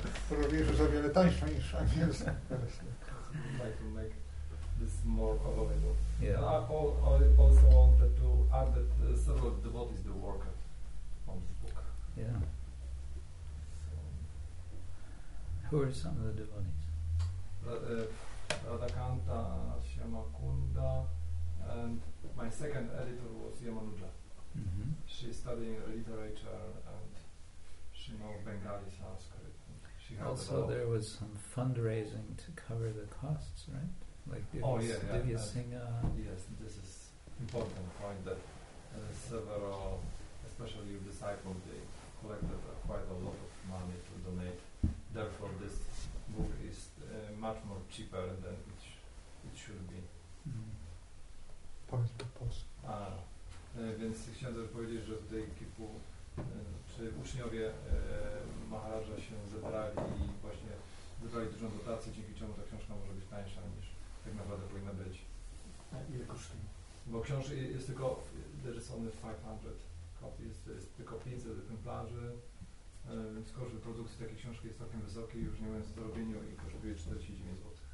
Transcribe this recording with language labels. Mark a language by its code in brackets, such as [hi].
[pl] Robię, że o wiele tańsza niż angielska. [en] Like to make this more available. Yeah. I also wanted to add that several devotees do work on this book. Yeah. So. Who are some of the devotees? Radhakanta Shyamakunda, and my second editor was Yamanuja. Mm-hmm. She's studying literature and she knows Bengali Sanskrit. She also, there was some fundraising to cover the costs, right? Like Divya Singha. Yes, this is important point that several, especially your disciples, they collected quite a lot of money to donate. Therefore, this book is much more cheaper than it should be. Point to post. [pl] Więc chciałem też powiedzieć, że tutaj kilku czy uczniowie Maharaja się zebrali i właśnie zebrali dużą dotację, dzięki czemu ta książka może być tańsza niż tak naprawdę powinna być. Ile kosztuje? Bo książka jest tylko, [en] there is only 500 copies, [pl] to jest tylko 500 egzemplarzy, więc koszt produkcji takiej książki jest całkiem wysoki, już nie mając zarobieniu i kosztuje 49 zł.